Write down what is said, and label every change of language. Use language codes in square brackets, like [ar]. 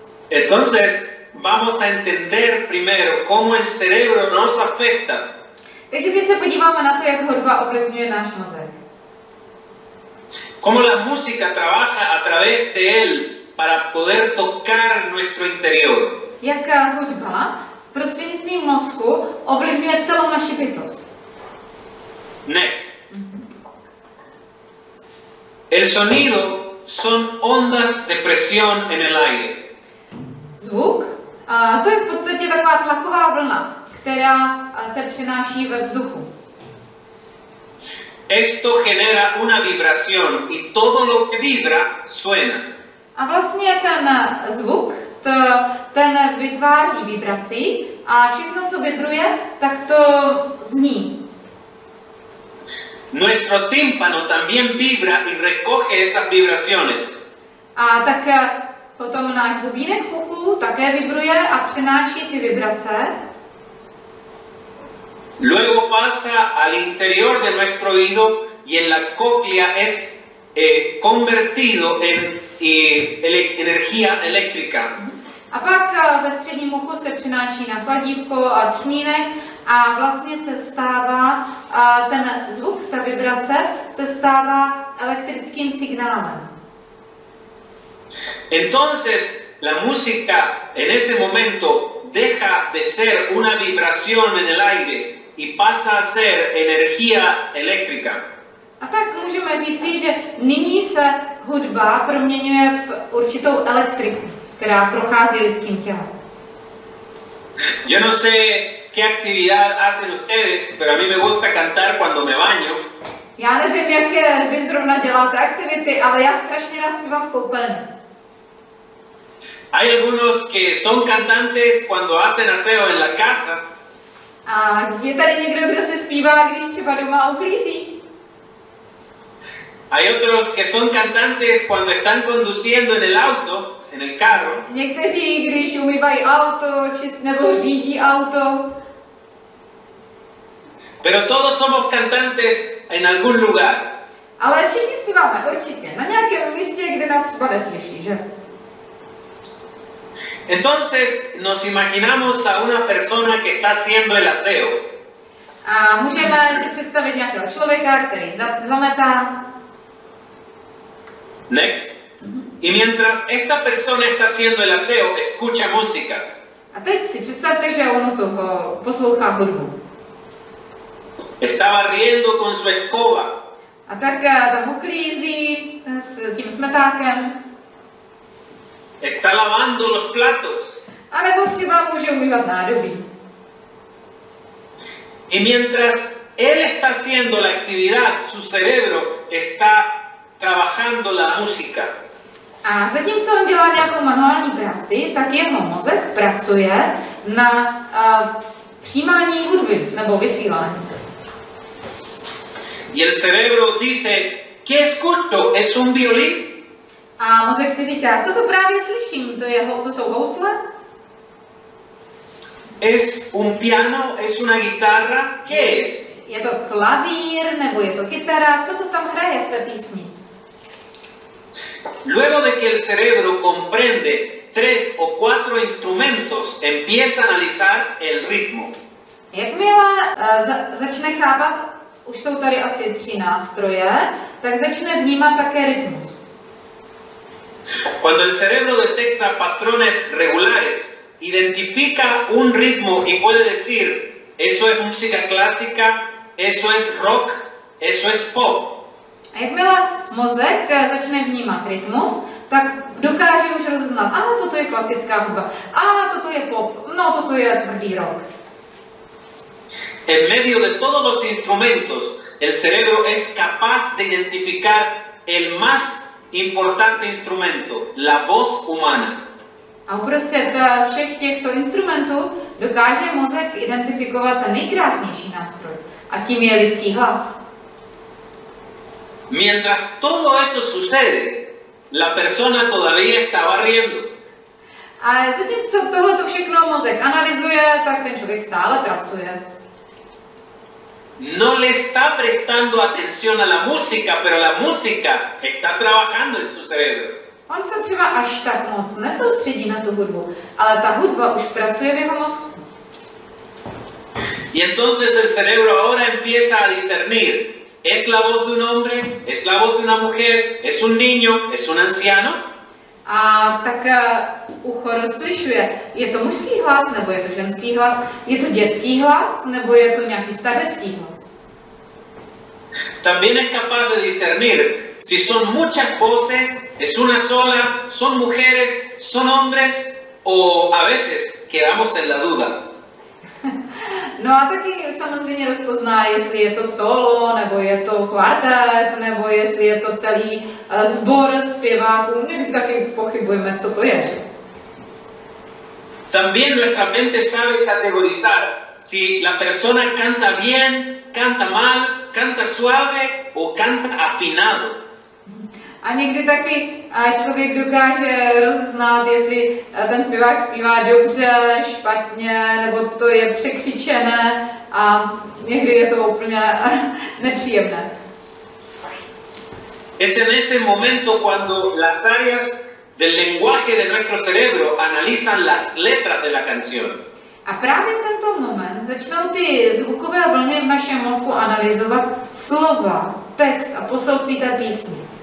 [es] Entonces, vamos a entender primero cómo el cerebro nos afecta. [cs] Takže teď se podíváme na to, jak hudba ovlivňuje náš mozek. [es] Como la música trabaja a través de él para poder tocar nuestro interior. [cs] Jak hudba prostřednictvím mozku ovlivňuje celou naši bytost. [en] Next. [es] El sonido son ondas de presión en el aire. [cs] Zvuk, a to je v podstatě taková tlaková vlna, která se přenáší ve vzduchu. [es] Esto genera una vibración y todo lo que vibra suena. [cs] A vlastně ten zvuk, ten vytváří vibraci a všechno, co vibruje, tak to zní. [es] Nuestro tímpano también vibra y recoge esas vibraciones. [cs] A tak potom náš bubínek v uchu také vibruje a přenáší ty vibrace. [es] Luego pasa al interior de nuestro oído y en la cóclea es convertido en energía eléctrica. [cs] A pak ve středním uchu se přenáší na kladívko a třmínek a vlastně se stává ten zvuk, ta vibrace, se stává elektrickým signálem. [es] Entonces la música en ese momento deja de ser una vibración en el aire y pasa a ser energía eléctrica. [cs] A tak můžeme říci, že nyní se hudba proměňuje v určitou elektriku, která prochází lidským tělem. [es] Yo no sé qué actividad hacen ustedes, pero a mí me gusta cantar cuando me baño. [cs] Já nevím, jak vy zrovna děláte aktivity, ale já strašně rád zpívám v koupelně. [es] Hay algunos que son cantantes cuando hacen aseo en la casa. [cs] A je tady někdo, kdo se zpívá, když třeba doma uklízí? [es] Hay otros que son cantantes cuando están conduciendo en el auto, en el carro. [cs] Někteří, když umývají auto, nebo řídí auto. [es] Pero todos somos cantantes en algún lugar. [cs] Ale všichni zpíváme určitě, na nějakém místě, kde nás třeba neslyší, že? [es] Entonces nos imaginamos a una persona que está haciendo el aseo. [cs] A můžeme si představit nějakého člověka, který zametá. [en] Next. [es] Y mientras esta persona está haciendo el aseo, escucha música. [cs] A teď si představte, že on poslouchá hudbu. [es] Está barriendo con su escoba. [cs] A tak tam uklízí s tím smetákem. [es] Está lavando los platos. [cs] A nebo třeba může umývat nádobí. [es] Y mientras él está haciendo la actividad, su cerebro está trabajando la música. [cs] A zatímco on dělá nějakou manuální práci, tak jeho mozek pracuje na přijímání hudby nebo vysílání. [es] Y el cerebro dice, ¿qué escucho? ¿Es un violín? [cs] A mozek si říká, co to právě slyším? To jsou housle? [es] Es un piano, es una guitarra, ¿qué es? [cs] Je to klavír, nebo je to kytara, co to tam hraje v té písni? [es] Luego de que el cerebro comprende tres o cuatro instrumentos empieza a analizar el ritmo. [cs] Jakmile začne chápat, už jsou tady asi tři nástroje, tak začne vnímat také rytmus. [es] Cuando el cerebro detecta patrones regulares, identifica un ritmo y puede decir, eso es música clásica, eso es rock, eso es pop. [cs] Jakmile mozek začne vnímat rytmus, tak dokáže už rozeznat, a toto je klasická hudba, a toto je pop, no toto je tvrdý rock. [es] En medio de todos los instrumentos, el cerebro es capaz de identificar el más importante instrumento, la voz humana. [cs] A uprostřed všech těchto instrumentů dokáže mozek identifikovat nejkrásnější nástroj, a tím je lidský hlas. [es] Mientras todo esto sucede, la persona todavía estaba riendo. [cs] A zatímco tohleto všechno mozek analyzuje, tak ten člověk stále pracuje. [es] No le está prestando atención a la música, pero la música está trabajando en su cerebro. [cs] On se třeba až tak moc nesoustředí na tu hudbu, ale ta hudba už pracuje v jeho mozku. [es] Y entonces el cerebro ahora empieza a discernir. ¿Es la voz de un hombre? ¿Es la voz de una mujer? ¿Es un niño? ¿Es un anciano? [cs] A tak ucho rozlišuje, je to mužský hlas, nebo je to ženský hlas, je to dětský hlas, nebo je to nějaký stařecký hlas. [es] También es capaz de discernir si son muchas voces, es una sola, son mujeres, son hombres, o a veces quedamos en la duda. [cs] No a taky samozřejmě rozpozná, jestli je to solo, nebo je to kvartet, nebo jestli je to celý sbor zpěváků, někdy taky pochybujeme, co to je. [es] También nuestra mente sabe categorizar si la persona canta bien, canta mal, canta suave o canta afinado. [cs] A někdy taky člověk dokáže rozeznat, jestli ten zpěvák zpívá dobře, špatně, nebo to je překřičené a někdy je to úplně nepříjemné. [es] Es en ese momento cuando las áreas del lenguaje de nuestro cerebro analizan las letras de la canción. [cs] A právě v tento moment začnou ty zvukové vlny v našem mozku analyzovat slova, text a poselství té písně.